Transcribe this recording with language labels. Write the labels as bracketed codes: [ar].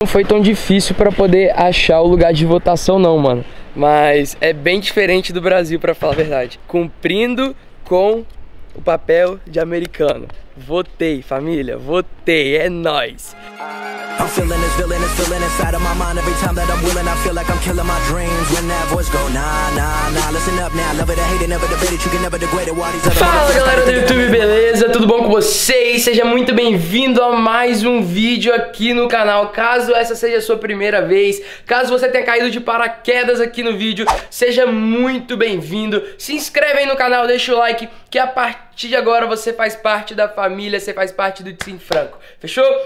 [pt] foi tão difícil para poder achar o lugar de votação, não, mano. Mas é bem diferente do Brasil, para falar a verdade. Cumprindo com o papel de americano. Votei, família, votei, é nóis. [en] I'm feeling this villain, it's feeling inside of my mind. Every time that I'm willing, I feel like I'm killing my dreams. When that voice go, nah, nah, nah. Listen up now, love it or hate it, never debate it. You can never degrade it, what is up? [pt] Fala galera do YouTube, beleza? Tudo bom com vocês? Seja muito bem-vindo a mais um vídeo aqui no canal. Caso essa seja a sua primeira vez, caso você tenha caído de paraquedas aqui no vídeo, seja muito bem-vindo. Se inscreve aí no canal, deixa o like, que a partir de agora você faz parte da família, você faz parte do Team Franco, fechou?